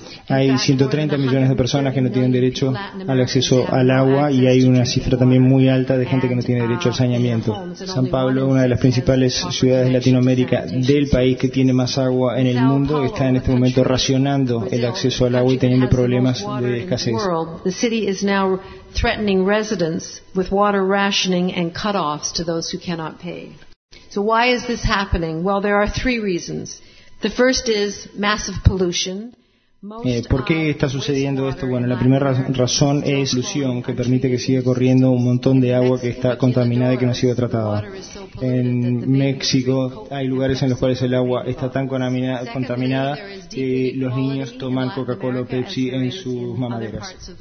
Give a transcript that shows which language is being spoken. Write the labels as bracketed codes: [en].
[es] Hay 130 millones de personas que no tienen derecho al acceso al agua y hay una cifra también muy alta de gente que no tiene derecho al saneamiento. San Pablo, una de las principales ciudades de Latinoamérica del país que tiene más agua en el mundo, está en este momento racionando el acceso al agua y teniendo problemas de escasez. [en] The city is now threatening residents with water rationing and cutoffs to those who cannot pay. So why is this happening? Well, there are three reasons. The first is massive pollution. [es] ¿Por qué está sucediendo esto? Bueno, la primera razón es polución, que permite que siga corriendo un montón de agua que está contaminada y que no ha sido tratada. En México hay lugares en los cuales el agua está tan contaminada que los niños toman Coca-Cola o Pepsi en sus mamaderas.